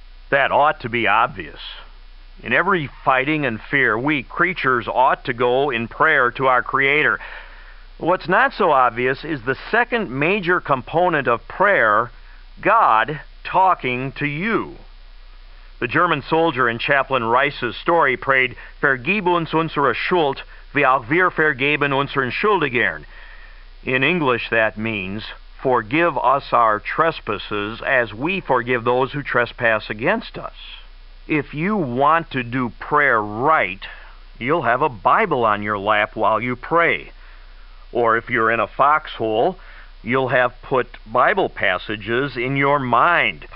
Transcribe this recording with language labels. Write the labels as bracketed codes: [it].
[en] That ought to be obvious. In every fighting and fear, we creatures ought to go in prayer to our Creator. What's not so obvious is the second major component of prayer: God talking to you. The German soldier in Chaplain Rice's story prayed, [de] "Vergib uns unsere Schuld, wie auch wir vergeben unseren Schuldigern." [en] In English, that means, "Forgive us our trespasses as we forgive those who trespass against us." If you want to do prayer right, you'll have a Bible on your lap while you pray. Or if you're in a foxhole, you'll have put Bible passages in your mind.